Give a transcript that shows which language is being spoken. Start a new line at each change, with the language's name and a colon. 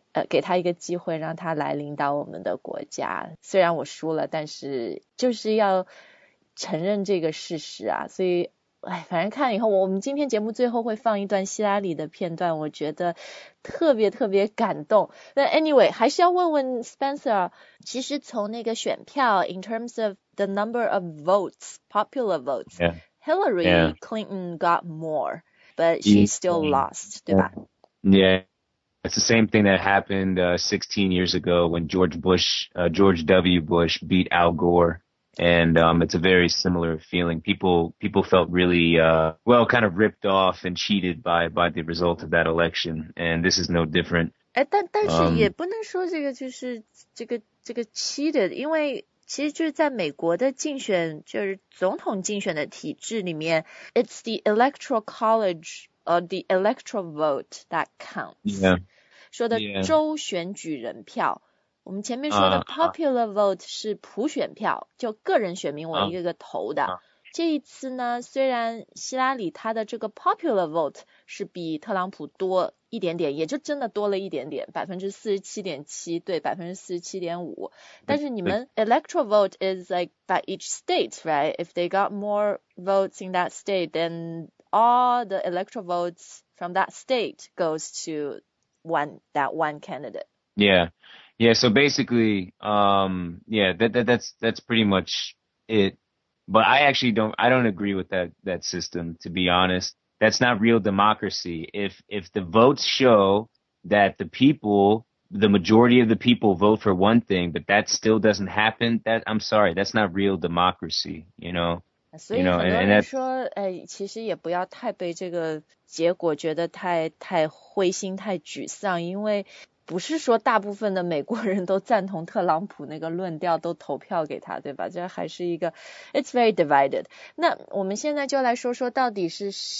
Chinese: 给他一个机会让他来领导我们的国家虽然我输了但是就是要承认这个事实啊所以哎，反正看以后我们今天节目最后会放一段希拉里的片段我觉得特别特别感动那 anyway 还是要问问 Spencer 其实从那个选票
English: in terms of the number of votes popular votes、 yeah. Hillary、 yeah. Clinton got more but she still lost、 yeah.
Chinese: 对吧
English: yeahIt's the same thing that happened 16 years ago when George W. Bush beat Al Gore. And it's a very similar feeling. People felt really, kind of ripped off and cheated by the result of that election. And this is no different.
Chinese: 但是也不能说这个就是这个 cheated, 因为其实就是在美国的竞选就是总统竞选的体制里面
English: it's the electoral college,or the electoral vote that counts. Yeah.
Chinese: 说的州选举人票。
English: Yeah.
Chinese: 我们前面说的 popular vote 是普选票就个人选民我一个个投的。这一次呢虽然希拉里他的这个 popular vote 是比特朗普多一点点也就真的多了一点点 ,47.7% 对 ,47.5%. 但是你们
English: electoral vote is like by each state, right? If they got more votes in that state, then... All the electoral votes from that state goes to that one candidate. Yeah. Yeah. So basically, that's pretty much it. But I actually don't agree with that system, to be honest. That's not real democracy. If the votes show that the majority of the people vote for one thing, but that still doesn't happen, that I'm sorry, that's not real democracy, you know?
Chinese: 所以很多人说其实也不要太被这个结果觉得太灰心太沮丧因为不是说大部分的美国人都赞同特朗普那个论调都投票给他对吧这还是一个
English: it's very divided
Chinese: 那我们现在就来说说到底是